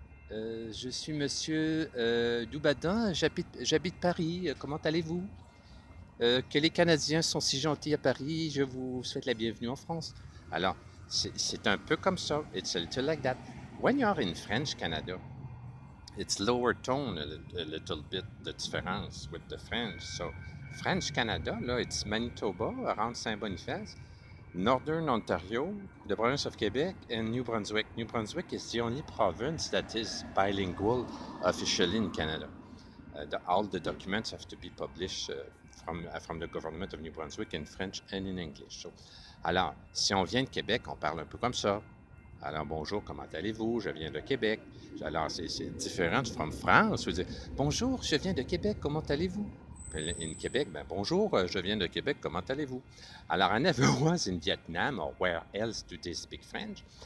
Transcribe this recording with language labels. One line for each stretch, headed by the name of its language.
French: Je suis monsieur Doubadin, j'habite Paris, comment allez-vous? Que les Canadiens sont si gentils à Paris, je vous souhaite la bienvenue en France. Alors, c'est un peu comme ça,
English: it's a little like that. When you are in French Canada, it's lower tone, a little bit, the difference with the French. So, French Canada, là, it's Manitoba, around Saint-Boniface, Northern Ontario, the province of Quebec, and New Brunswick. New Brunswick is the only province that is bilingual officially in Canada. All the documents have to be published from the government of New Brunswick in French and in English. So,
French: alors, si on vient de Québec, on parle un peu comme ça. Alors, bonjour, comment allez-vous? Je viens de Québec. Alors, c'est différent
English: from France.
French: Vous dites, bonjour, je viens de Québec, comment allez-vous? In Québec, ben bonjour, je viens de Québec, comment allez-vous?
English: Alors, I never was in Vietnam, or where else do they speak French?